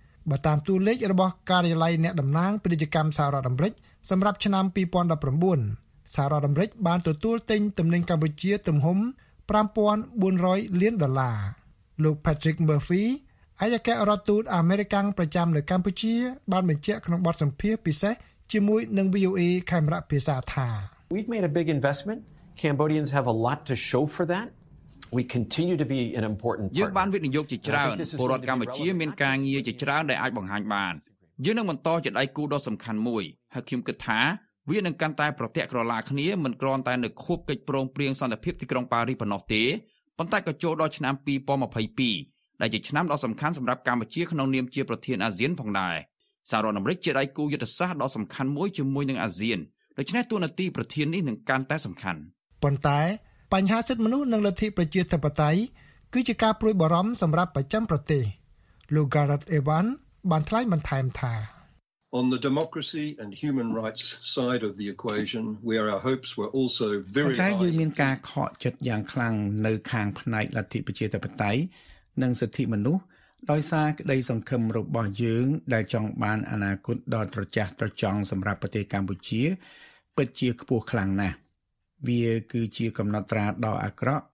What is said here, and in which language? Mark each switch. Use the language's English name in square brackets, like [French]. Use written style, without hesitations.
[Khmer] បើតាមតួលេខរបស់ការិយាល័យអ្នកតំណាងពាណិជ្ជកម្មសហរដ្ឋអាមេរិកសម្រាប់ឆ្នាំ2019សហរដ្ឋអាមេរិកបានទទួលទិញទំនិញកម្ពុជាទំហំ 5,400 លានដុល្លារលោក Patrick Murphy អាយកការដ្ឋទូតអាមេរិកប្រចាំនៅកម្ពុជាបានបញ្ជាក់ក្នុងបទសម្ភាសន៍ពិសេសជាមួយនឹង VOA កាមេរ៉ាភាសាថា [English] We've made a big investment. Cambodians have a lot to show for that. We continue to be an important partner. [Khmer] យើងបានវិនិយោគជាច្រើនពលរដ្ឋកម្ពុជាមានការងារជាច្រើនដែលអាចបង្ហាញបានយើងនឹងបន្តជាដៃគូដ៏សំខាន់មួយហើយខ្ញុំគិតថាវានឹងកាន់តែប្រទាក់ក្រឡាគ្នាមិនគ្រាន់តែនៅខួបកិច្ចព្រមព្រៀងសន្តិភាពទីក្រុងប៉ារីសប៉ុណ្ណោះទេប៉ុន្តែក៏ចូលដល់ឆ្នាំ2022ដែលជាឆ្នាំដ៏សំខាន់សម្រាប់កម្ពុជាក្នុងនាមជាប្រធានអាស៊ានផងដែរសហរដ្ឋអាមេរិកជាដៃគូយុទ្ធសាស្ត្រដ៏សំខាន់មួយជាមួយនឹងអាស៊ានដូច្នេះតួនាទីប្រធាននេះនឹងកាន់តែសំខាន់ប៉ុន្តែបញ្ហាសិទ្ធិមនុស្សនិងលទ្ធិប្រជាធិបតេយ្យគឺជាការព្រួយបារម្ភសម្រាប់ប្រចាំប្រទេសលោក Gareth Evans បានថ្លែងបន្ថែមថា [English] On the democracy and human rights side of the equation where our hopes were also very high [Khmer] តែយើងមានការខកចិត្តយ៉ាងខ្លាំងនៅខាងផ្នែកលទ្ធិប្រជាធិបតេយ្យនិងសិទ្ធិមនុស្សដោយសារក្តីសង្ឃឹមរបស់យើងដែលចង់បានអនាគតដ៏ត្រចះត្រចង់សម្រាប់ប្រទេសកម្ពុជាពិតជាខ្ពស់ខ្លាំងណាស់វាគឺជាកំណត់ត្រាដ៏អាក្រក